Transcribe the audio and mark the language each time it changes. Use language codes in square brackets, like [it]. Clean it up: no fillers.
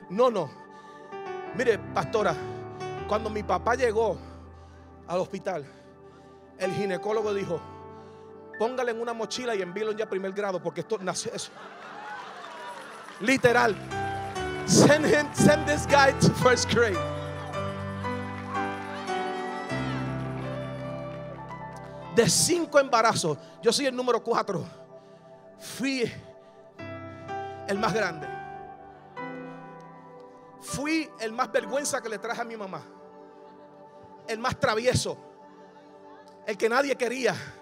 [es] No. Mire, pastora, cuando mi papá llegó al hospital, el ginecólogo dijo, póngale en una mochila y envíelo ya a primer grado, porque esto nació eso. Literal. [en] Send this guy to first grade. [es] De 5 embarazos, yo soy el número 4. Fui el más grande. Fui el más vergüenza que le traje a mi mamá. El más travieso. El que nadie quería.